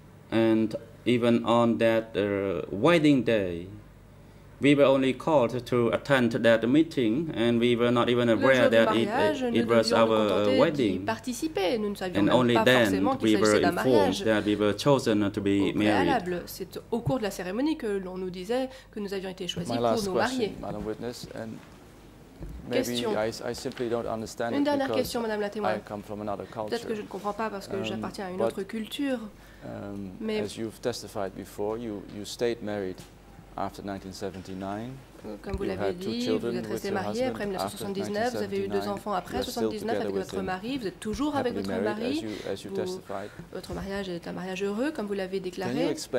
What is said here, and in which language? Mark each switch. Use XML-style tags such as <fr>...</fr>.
<en>And even on that wedding day, we were only called to attend that meeting, and we were not even aware that it was our wedding. And only then we were informed that we were chosen to be married.</en> <fr>C'est au cours de la cérémonie que l'on nous disait que nous avions été choisis pour nous marier.</fr> <en>Madam witness, and maybe I simply don't understand</en> <fr>une dernière question, Madame la témoin.</fr> <en>I come from another culture.</en> <fr>Peut-être que je ne comprends pas parce que j'appartiens à une autre culture. Mais</fr> <en>as you've testified before, you stayed married. After 1979,</en> <fr>comme vous l'avez dit, vous êtes resté marié après 1979, vous avez eu deux enfants après 1979 avec votre mari, vous êtes toujours avec votre mari, votre mariage est un mariage heureux, comme vous l'avez déclaré.</fr>